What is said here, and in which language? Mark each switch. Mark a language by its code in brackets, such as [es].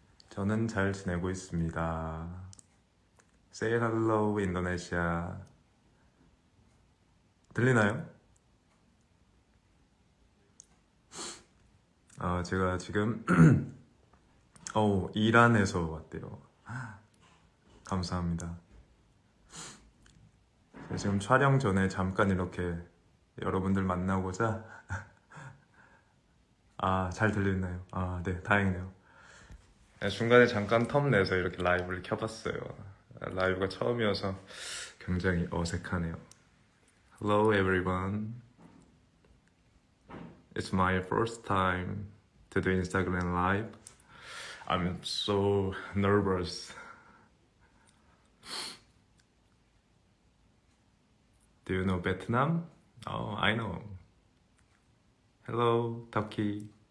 [ko] 저는 잘 지내고 있습니다. [en] Say hello, 인도네시아. [ko] 들리나요? 아, 제가 지금 어우, 이란에서 왔대요. 감사합니다. 지금 촬영 전에 잠깐 이렇게 여러분들 만나고자. 아, 잘 들리나요? 아, 네, 다행이네요. 중간에 잠깐 텀 내서 이렇게 라이브를 켜봤어요. 라이브가 처음이어서 굉장히 어색하네요. [en] Hello everyone. It's my first time to do Instagram live. I'm so nervous. Do you know Vietnam? Oh, I know. Hello, Turkey.